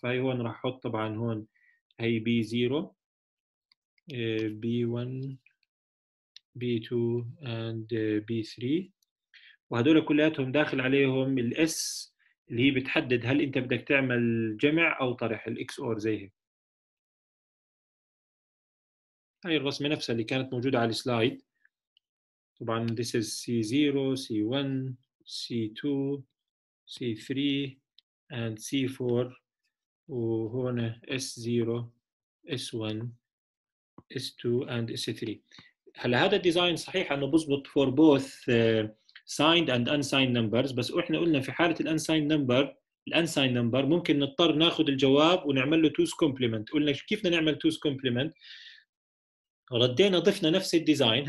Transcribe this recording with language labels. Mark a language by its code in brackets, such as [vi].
[ar] فهي هون راح أحط طبعا هون هي B 0 B 1 B 2 and B 3، وهدول كلياتهم داخل عليهم الS اللي هي بتحدد هل أنت بدك تعمل جمع أو طرح الXOR زيها. هاي الرسمة نفسها اللي كانت موجودة على السلايد. [en] طبعاً this is C0, C1, C2, C3 and C4، [ar] وهنا [en] S0, S1, S2 and S3. [ar] هلا هذا الديزاين صحيح أنه بزبط [en] for both signed and unsigned numbers، [ar] بس احنا قلنا في حالة الـ unsigned number، الـ unsigned number ممكن نضطر ناخذ الجواب ونعمل له two's complement. قلنا كيف نعمل two's complement؟ ردينا ضفنا نفس الديزاين.